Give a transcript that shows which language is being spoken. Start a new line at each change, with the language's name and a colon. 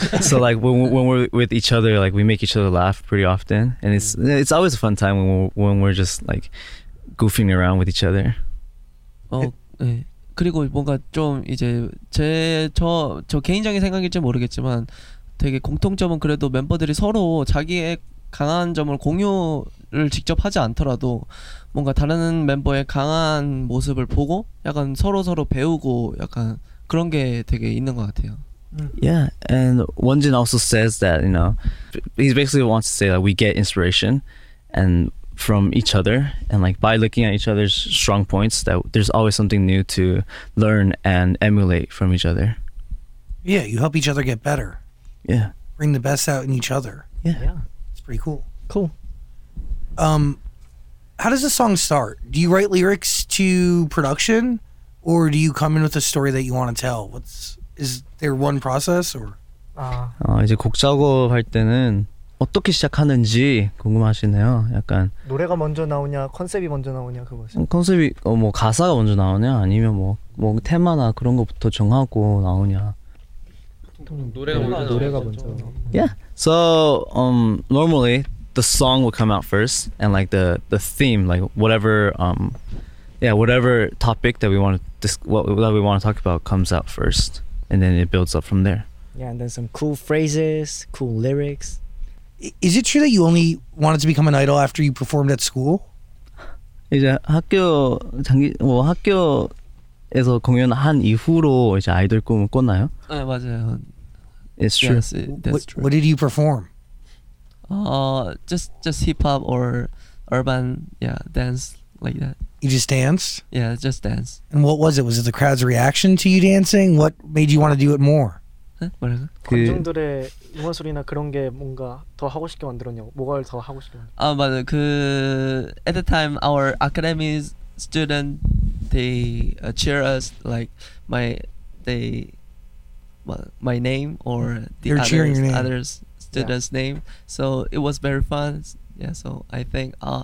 English: So like when we're with each other, like we make each other laugh pretty often, and it's always a fun time when we're just like goofing around with each other.
Korean: 그리고 뭔가 좀 이제 저 개인적인 생각일지 모르겠지만 되게 공통점은 그래도 멤버들이 서로 자기의 강한 점을 공유를 직접 하지 않더라도 뭔가 다른 멤버의 강한 모습을 보고 약간 서로 배우고 약간 그런 게 되게 있는 것 같아요.
English: Yeah, and Wonjin also says that, you know, he basically wants to say that we get inspiration and from each other, and like by looking at each other's strong points, that there's always something new to learn and emulate from each other. Yeah, you help each other get better. Yeah. Bring the best out in each other. Yeah. It's pretty cool. Cool. How does the song start? Do you write lyrics to production, or do you come in with a story that you want to tell? Is there one process, or?
Korean: 이제 곡 작업할 때는 어떻게 시작하는지 궁금하시네요. 약간 노래가 먼저 나오냐, 컨셉이 먼저 나오냐 그거죠. 컨셉이 뭐 가사가 먼저 나오냐, 아니면 뭐 테마나 그런 것부터 정하고 나오냐. 보통 노래가 먼저.
English: Yeah. So normally the song will come out first, and like the theme, like whatever whatever topic that we want to talk about comes out first, and then it builds up from there. Yeah, and then some cool phrases, cool lyrics. Is it true that you only wanted to become an idol after you performed at school?
Korean: 이제 학교에서 공연한 이후로 이제 아이돌 꿈을 꿨나요? 네, 맞아요.
English: It's true. Yes, that's true. What did you perform? Just hip hop or urban, dance like that. You just danced? Yeah, just dance. And what was it? Was it the crowd's reaction to you dancing? What made you want to do it more?
Korean: 관중들의 응원 소리나 그런 게 뭔가 더 하고 싶게 만들었냐고. 뭐가를 더 하고 싶게. 아 맞아.
English: 그 at the time our academy student they cheer us like my name or the other students' name. So it was very fun. Yeah. So I think